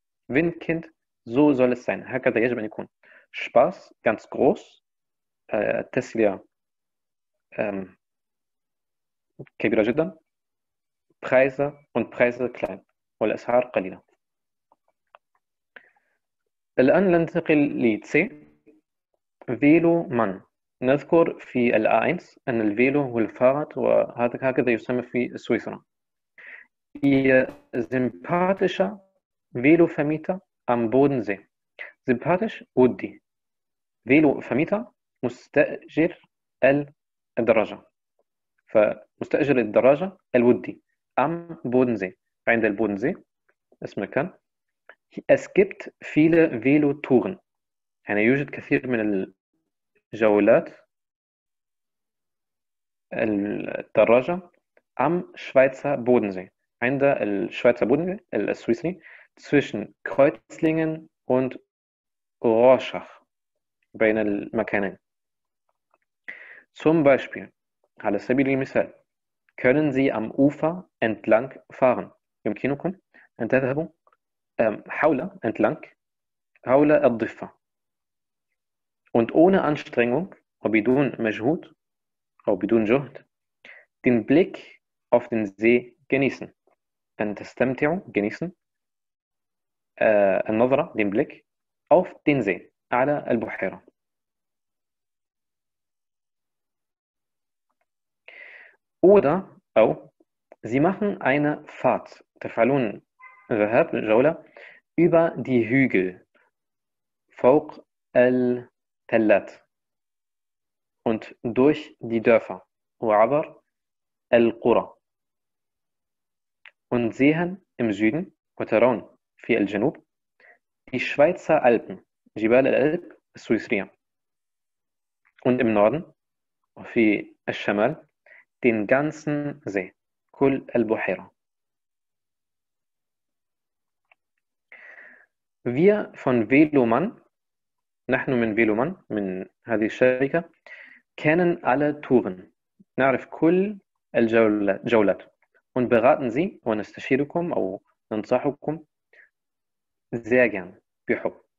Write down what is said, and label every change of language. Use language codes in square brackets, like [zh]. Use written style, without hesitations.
[de] Windkind, so soll es sein. [ar] هكذا يجب أن يكون. [de] Spaß, ganz groß. [ar] تسلية كبيرة جدا. [de] Preise und Preise klein. [ar] والأسعار قليلة. الآن ننتقل لـ C. فيلو من نذكر في الـ A1 أن الفيلو هو الفارد وهذا هكذا يسمى في سويسرا. [de] Ihr sympathischer Velo-Vermieter am Bodensee. Sympathisch, [ar] ودي. [de] Velo-Vermieter, [ar] مستأجر الدراجة. فمستأجر الدراجة, الودي. [de] Am Bodensee. [ar] عند البودنزي. اسم مكان. [de] Es gibt viele Velo-Touren. [ar] يعني يوجد كثير من الجولات. الدراجة. [de] Am Schweizer Bodensee. [ar] عند الشويتزر بودنزي السويسري [de] zwischen Kreuzlingen und Rorschach [ar] بين المكانين. [de] Zum Beispiel, [ar] على سبيل المثال, [de] können Sie am Ufer entlang fahren. [ar] يمكنكم أن تذهبوا حول entlang حول الضفة. [de] Und ohne Anstrengung [ar] وبدون مجهود أو بدون جهد [de] den Blick auf den See genießen. [ar] أن تستمتعوا [de] genießen النظرة den Blick auf den See [ar] على البحيرة. [de] Oder أو Sie machen eine Fahrt [ar] تفعلون ذهاب جولة [de] über die Hügel [ar] فوق التلات [de] und durch die Dörfer [ar] وعبر القرى [de] und sehen im Süden [ar] وترون في الجنوب [de] die Schweizer Alpen [ar] جبال الألب السويسرية [de] und im Norden [ar] وفي الشمال [de] den ganzen See [ar] كل البحيرة. [de] Wir von Veloman [ar] نحن من Veloman من هذه الشركة [de] kennen alle Touren [ar] نعرف كل الجولات [de] und beraten Sie [ar] ونستشيركم أو ننصحكم [de] sehr gern [ar] بحب.